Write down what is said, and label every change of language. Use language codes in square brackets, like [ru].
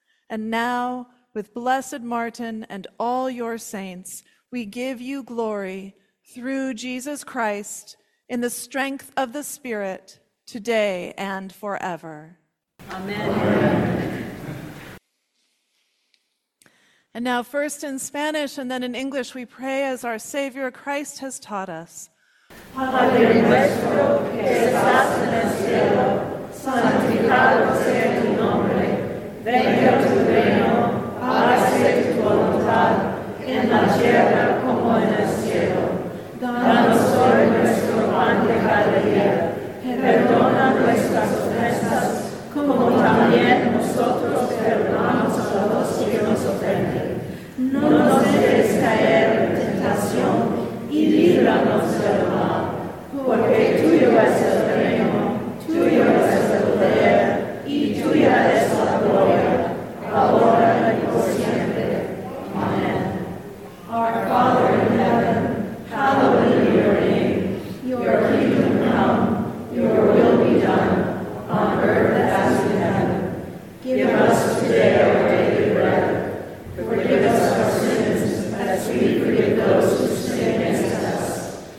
[en] And now, with Blessed Martin and all your saints, we give you glory through Jesus Christ in the strength of the Spirit, today and forever. Amen. And now first in Spanish and then in English, we pray as our Savior Christ has taught us. [es] Padre nuestro que estás en el cielo, santificado sea tu nombre, venga tu reino, hágase tu voluntad en la tierra como en el cielo. Danos hoy nuestro pan de cada día. Perdona nuestras ofensas como también nosotros perdonamos a los que nos ofenden. No nos dejes caer en tentación y líbranos del mal. Porque tuyo es el reino, tuyo es el poder y tuya es la gloria. Ahora. [en] Our Father in heaven, hallowed be your name. Your kingdom come, your will be done, on earth as in heaven. Give us today our daily bread. Forgive us our sins, as we forgive those who sin against us.